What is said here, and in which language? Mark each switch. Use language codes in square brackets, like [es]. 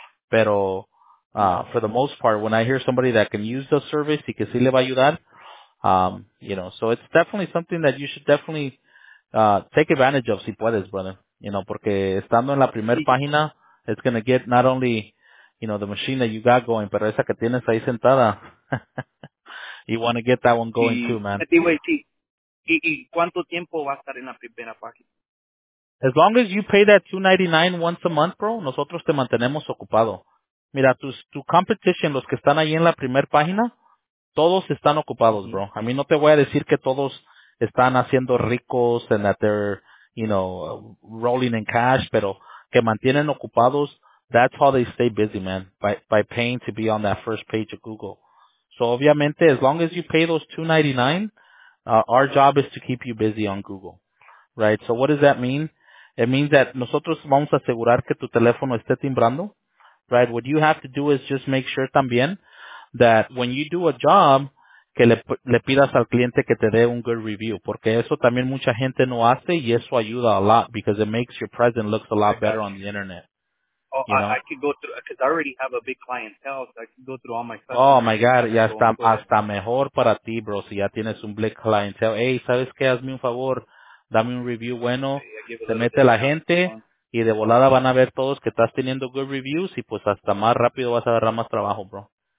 [en] Pero for the most part, when I hear somebody that can use the service [es] y que sí le va a ayudar, [en] you know, so it's definitely something that you should definitely take advantage of [es] si puedes, [en] brother. You know, [es] porque estando en la primer página, [en] it's going to get not only, you know, the machine that you got going, [es] pero esa que tienes ahí sentada. [en] You want to get that one going too, man. [es] ¿Y cuánto tiempo va a estar en la primera página? [en] As long as you pay that $299 once a month, bro, [es] nosotros te mantenemos ocupado. Mira, tu competition, los que están ahí en la primera página, todos están ocupados, bro. A mí no te voy a decir que todos están haciendo ricos [en] and that they're, you know, rolling in cash, [es] pero que mantienen ocupados, [en] that's how they stay busy, man, by paying to be on that first page of Google. So, obviamente, as long as you pay those $299, our job is to keep you busy on Google, right? So, what does that mean? It means that [es] nosotros vamos a asegurar que tu teléfono esté timbrando, [en] right? What you have to do is just make sure también that when you do a job, [es] que le pidas al cliente que te dé [en] un good review. [es] Porque eso también mucha gente no hace y eso ayuda [en] a lot because it makes your presence looks a lot better on the internet. Oh, you know? I could go through, because I already have a big clientele, so I can go through all my stuff. Oh, my God. [es] Y hasta mejor para ti, bro, si ya tienes un big clientele. Hey, ¿sabes qué? Hazme un favor. Dame un review bueno. [en] Okay, [es] se mete la gente y de volada van a ver todos que estás teniendo good reviews y pues hasta más rápido vas a agarrar más trabajo, bro.